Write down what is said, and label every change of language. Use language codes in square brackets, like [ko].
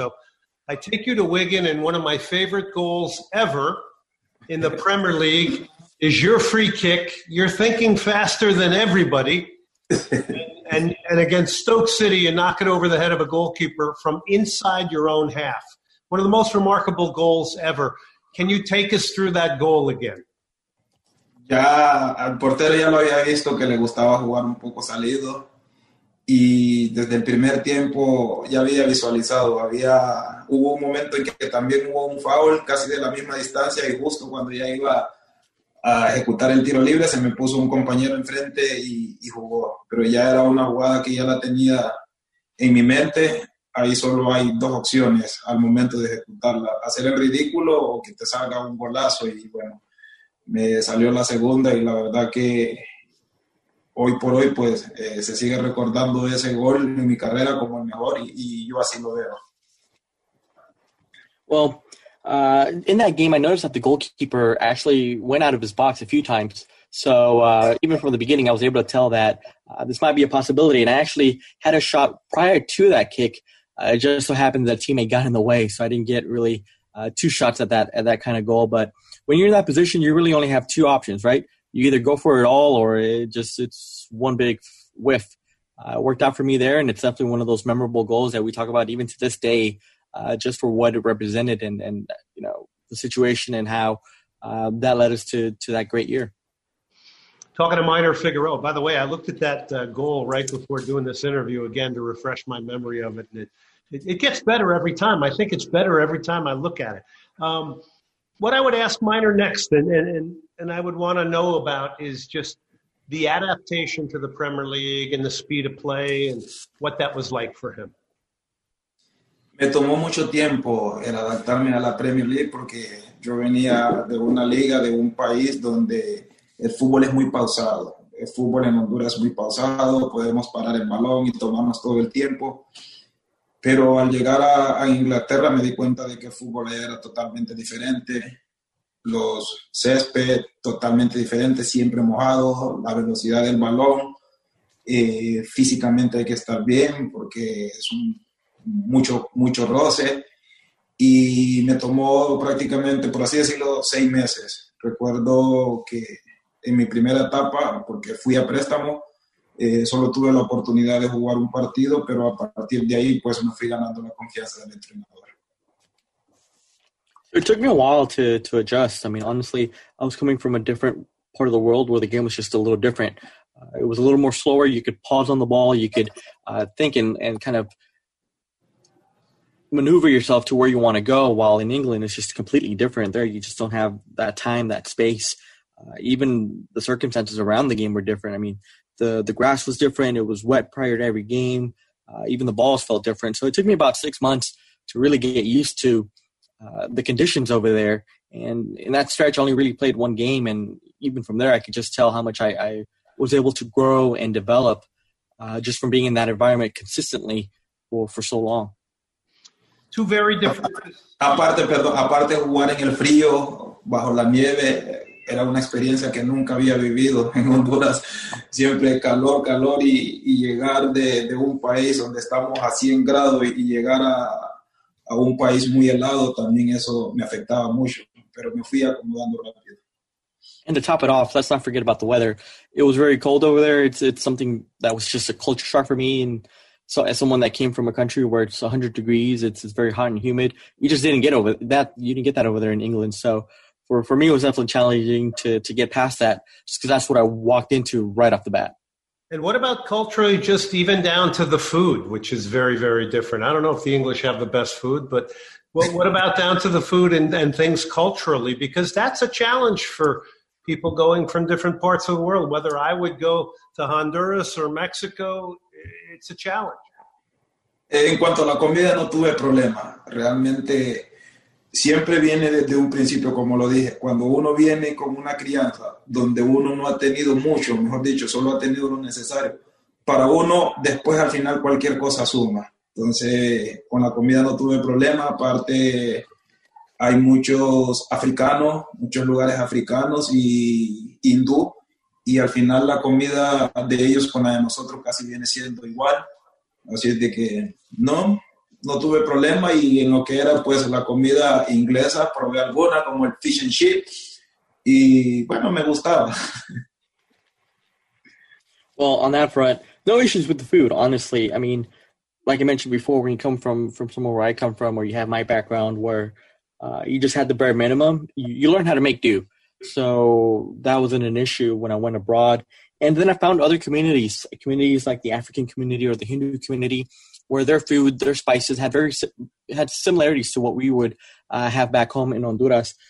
[en] So I take you to Wigan, and one of my favorite goals ever in the Premier League is your free kick. You're thinking faster than everybody. And against Stoke City, you knock it over the head of a goalkeeper from inside your own half. One of the most remarkable goals ever. Can you take us through that goal again? [es] Ya al portero ya lo había visto que le gustaba jugar un poco salido y desde el primer tiempo ya había visualizado, había hubo un momento en que también hubo un foul casi de la misma distancia y justo cuando ya iba a ejecutar el tiro libre se me puso un compañero enfrente y jugó, pero ya era una jugada que ya la tenía en mi mente. Ahí solo hay dos opciones al momento de ejecutarla, hacer el ridículo o que te salga un golazo y bueno, me salió la segunda y la verdad que hoy por hoy pues se sigue recordando ese gol en mi carrera como el mejor y yo así lo veo. [en] Well, in that game I noticed that the goalkeeper actually went out of his box a few times. So even from the beginning I was able to tell that this might be a possibility and I actually had a shot prior to that kick. It just so happened that a teammate got in the way, so I didn't get really two shots at that kind of goal. But when you're in that position, you really only have two options, right? You either go for it all or it's one big whiff. It worked out for me there, and it's definitely one of those memorable goals that we talk about even to this day just for what it represented and you know, the situation and how that led us to that great year. Talking to Minor Figueroa, by the way, I looked at that goal right before doing this interview again to refresh my memory of it. And it gets better every time. I think it's better every time I look at it. What I would ask Minor next and I would want to know about is just the adaptation to the Premier League and the speed of play and what that was like for him. [es] Me tomó mucho tiempo el adaptarme a la Premier League porque yo venía de una liga de un país donde el fútbol es muy pausado. El fútbol en Honduras es muy pausado. Podemos parar el balón y tomarnos todo el tiempo. Pero al llegar a Inglaterra me di cuenta de que el fútbol era totalmente diferente. Los césped totalmente diferentes, siempre mojados. La velocidad del balón. Físicamente hay que estar bien porque es mucho roce. Y me tomó prácticamente, por así decirlo, 6 meses. Recuerdo que en mi primera etapa, porque fui a préstamo, solo tuve la oportunidad de jugar un partido, pero a partir de ahí, pues, me fui ganando la confianza del entrenador. [en] It took me a while to adjust. I mean, honestly, I was coming from a different part of the world where the game was just a little different. It was a little more slower. You could pause on the ball. You could think and kind of maneuver yourself to where you want to go, while in England, it's just completely different. There, you just don't have that time, that space. Even the circumstances around the game were different. I mean, the grass was different. It was wet prior to every game. Even the balls felt different. So it took me about 6 months to really get used to the conditions over there. And in that stretch, I only really played one game. And even from there, I could just tell how much I was able to grow and develop just from being in that environment consistently for so long. Two very different. [es] Aparte jugar en el frío, bajo la nieve, era una experiencia que nunca había vivido en Honduras. Siempre calor y llegar de un país donde estamos a 100 grados y llegar a un país muy helado, también eso me afectaba mucho, pero me fui acomodando rápido. [en] And to top it off, let's not forget about the weather. It was very cold over there. It's something that was just a culture shock for me. And so as someone that came from a country where it's 100 degrees, it's very hot and humid, you didn't get that over there in England. So For me, it was definitely challenging to get past that just because that's what I walked into right off the bat. And what about culturally, just even down to the food, which is very, very different? I don't know if the English have the best food, but what about down to the food and things culturally? Because that's a challenge for people going from different parts of the world. Whether I would go to Honduras or Mexico, it's a challenge. [es] En cuanto a la comida, no tuve problema. Realmente, siempre viene desde un principio, como lo dije, cuando uno viene con una crianza donde uno no ha tenido mucho, mejor dicho, solo ha tenido lo necesario, para uno después al final cualquier cosa suma. Entonces, con la comida no tuve problema, aparte hay muchos africanos, muchos lugares africanos y hindú, y al final la comida de ellos con la de nosotros casi viene siendo igual, así es de que no tuve problema y en lo que era pues la comida inglesa probé alguna como el fish and chips y bueno, me gustaba. [en] Well, on that front, no issues with the food, honestly. I mean, like I mentioned before, when you come from somewhere where I come from, or you have my background where you just had the bare minimum, you learn how to make do. So that wasn't an issue when I went abroad. And then I found other communities, communities like the African community or the Hindu community, where their food, their spices had similarities to what we would have back home in Honduras.